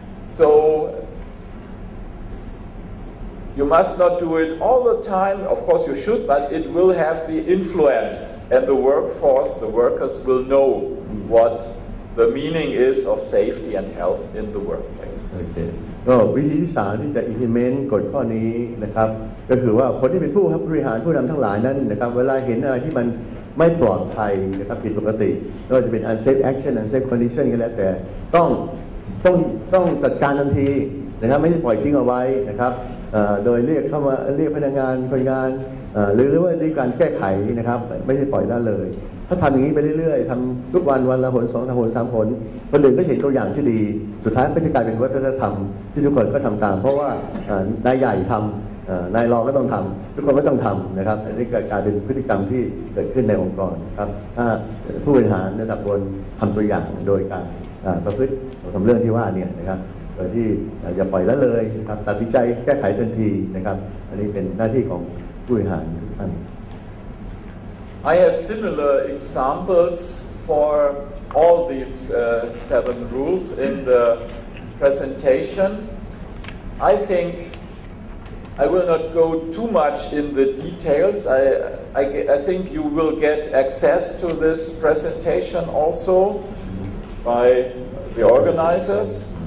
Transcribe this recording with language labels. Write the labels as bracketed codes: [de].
[en] So you must not do it all the time. Of course you should, but it will have the influence and the workforce, the workers will know what the meaning is of safety and health in the workplace. Okay. [th] วิธีที่สามที่จะ implement กฎข้อนี้นะครับก็คือว่าคนที่เป็นผู้บริหารผู้นำทั้งหลายนั้นนะครับเวลาเห็นอะไรที่มันไม่ปลอดภัยนะครับผิดปกติไม่ว่าจะเป็น [en] unsafe action unsafe condition [th] ก็แล้วแต่ต้องจัดการทันทีนะครับไม่ได้ปล่อยทิ้งเอาไว้นะครับ โดยเรียกเข้ามาเรียกพนักงานคนงานหรือว่าด้วยการแก้ไขนะครับไม่ใช่ปล่อยได้เลยถ้าทำอย่างนี้ไปเรื่อยๆทำทุกวันละหนสองหนสามหนคนอื่นก็เห็นตัวอย่างที่ดีสุดท้ายก็จะกลายเป็นวัฒนธรรมที่ทุกคนก็ทำตามเพราะว่า นายใหญ่ทำนายรองก็ต้องทำทุกคนก็ต้องทำนะครับอันนี้ก็กลายเป็นพฤติกรรมที่เกิดขึ้นในองค์กรครับถ้าผู้บริหารระดับบนทำตัวอย่างโดยการประพฤติทำเรื่องที่ว่าเนี่ยนะครับโดยที่อย่าปล่อยแล้วเลยนะครับตัดสินใจแก้ไขทันทีนะครับอันนี้เป็นหน้าที่ของผู้บริหารทุกท่าน [en] I have similar examples for all these 7 rules in the presentation. I think I will not go too much in the details. I think you will get access to this presentation also by the organizers.